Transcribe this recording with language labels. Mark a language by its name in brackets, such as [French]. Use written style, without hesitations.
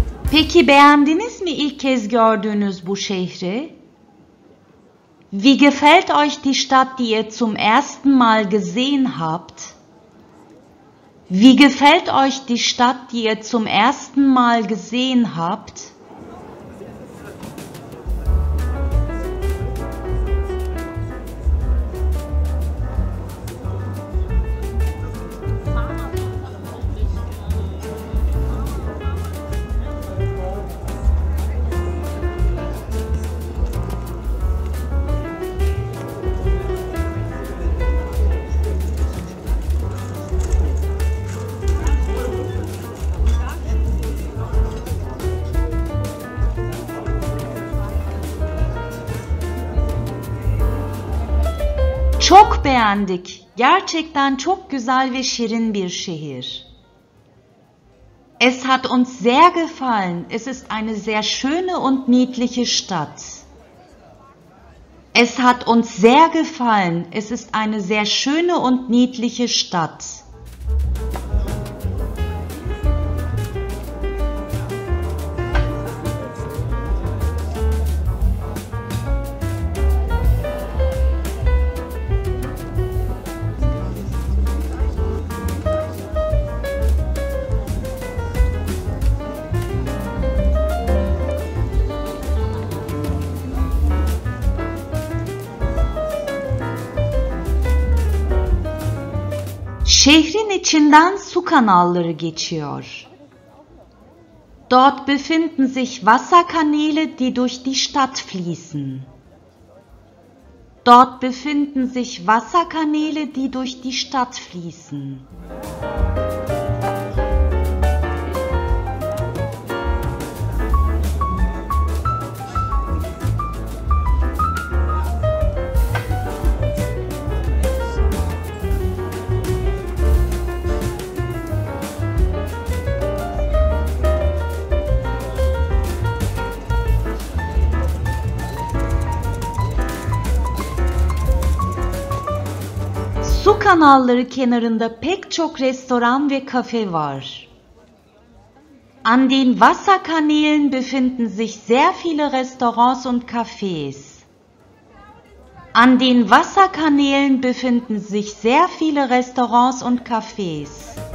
[Turkish] Peki beğendiniz mi ilk kez gördüğünüz bu şehri? [German] Wie gefällt euch die Stadt, die ihr zum ersten Mal gesehen habt? Wie gefällt euch die Stadt, die ihr zum ersten Mal gesehen habt? [Turkish] Çok beğendik. Gerçekten çok güzel ve şirin bir şehir. [German] Es hat uns sehr gefallen. Es ist eine sehr schöne und niedliche Stadt. Es hat uns sehr gefallen. Es ist eine sehr schöne und niedliche Stadt. [Turkish] Şehrin içinden su kanalları geçiyor. [German] Dort befinden sich Wasserkanäle, die durch die Stadt fließen. Dort befinden sich Wasserkanäle, die durch die Stadt fließen. [Turkish] Su kanalları kenarında pek çok restoran ve kafe var. [German] An den Wasserkanälen befinden sich sehr viele Restaurants und Cafés. An den Wasserkanälen befinden sich sehr viele Restaurants und Cafés.